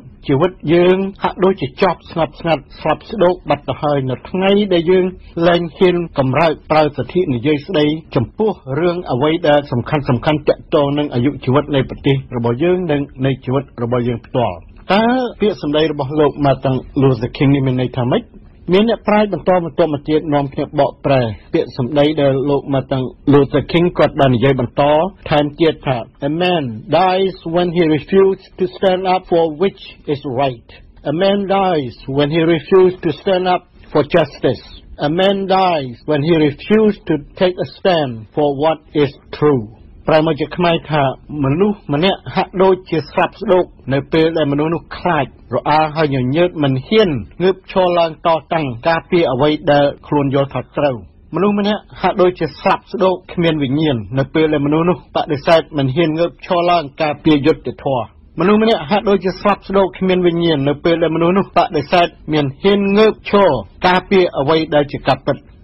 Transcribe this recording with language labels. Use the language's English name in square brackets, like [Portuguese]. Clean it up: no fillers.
[Khmer] ជីវិតយើងហាក់ដូចជាចប់ស្ងាត់ស្ងាត់ស្លាប់ស្ដោកបាត់ទៅហើយនៅថ្ងៃដែលយើងលែងហ៊ានកម្រើកប្រើសិទ្ធិនិយាយស្ដីចំពោះរឿងអ្វីដែលសំខាន់សំខាន់តកតងនឹងអាយុជីវិតនៃប្រទេសរបស់យើងនិងនៃជីវិតរបស់យើងផ្ទាល់តើពាក្យសម្ដីរបស់លោកម៉ាតាំងលូធើគីងមានន័យថាម៉េចមានអ្នកប្រាជ្ញបន្តមកទៅមកទៀតនាំគ្នាបកប្រែពាក្យសម្ដីដែលលោកម៉ាតាំងលូធើគីងគាត់បាននិយាយបន្តថែមទៀតថា [English] A man dies when he refuses to stand up for which is right. A man dies when he refuses to stand up for justice. A man dies when he refuses to take a stand for what is true. [Khmer] ប្រមាណជាខ្មែរថាមនុស្សម្នាក់ហាក់ដូចជាស្លាប់ស្ដោកនៅពេលដែលមនុស្សនោះខ្លាចរអាហើយញញើតមិនហ៊ានងើបឈរឡើងតតាំងការពារអ្វីដែលខ្លួនយល់ថាត្រូវ មនុស្សម្នាក់ហាក់ដូចជាស្លាប់ស្ដោកគ្មានវិញ្ញាណនៅពេលដែលមនុស្សនោះបដិសេធមិនហ៊ានងើបឈរឡើងការពារយុត្តិធម៌មនុស្សម្នាក់ហាក់ដូចជាស្លាប់ស្ដោកគ្មានវិញ្ញាណនៅពេលដែលមនុស្សនោះបដិសេធមិនហ៊ានងើបឈរការពារអ្វីដែលជាកាតព្វកិច្ច